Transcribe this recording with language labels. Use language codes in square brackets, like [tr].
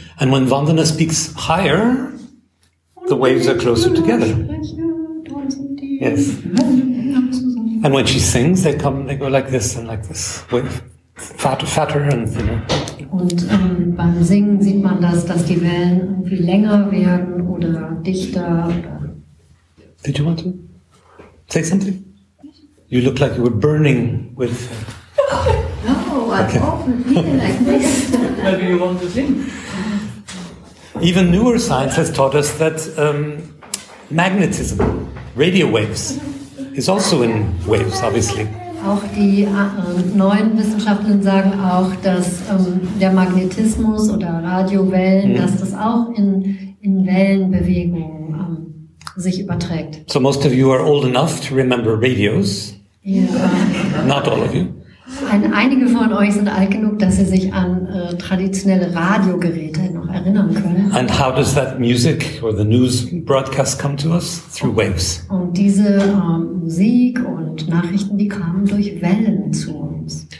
[en] And when Vandana speaks higher, the waves are closer together. Yes. And when she sings, they go like this and like this, with fatter and thinner. [de] Und beim Singen sieht man das, dass die Wellen irgendwie länger werden oder dichter. [en] Did you want to say something? You look like you were burning with. No, I'm often feeling like this. Maybe you want to sing. Even newer science has taught us that magnetism. Radio waves is also in waves, obviously. [de] Auch die neuen Wissenschaftler sagen auch, dass der Magnetismus oder Radiowellen, dass das auch in Wellenbewegungen sich überträgt. [en] So most of you are old enough to remember radios. Yeah. Not all of you. [de] Einige von euch sind alt genug, dass sie sich an traditionelle Radiogeräte noch erinnern können. [en] And how does that music or the news broadcast come to us? Through waves. [de] Und diese Musik und Nachrichten, die kamen durch Wellen zu uns.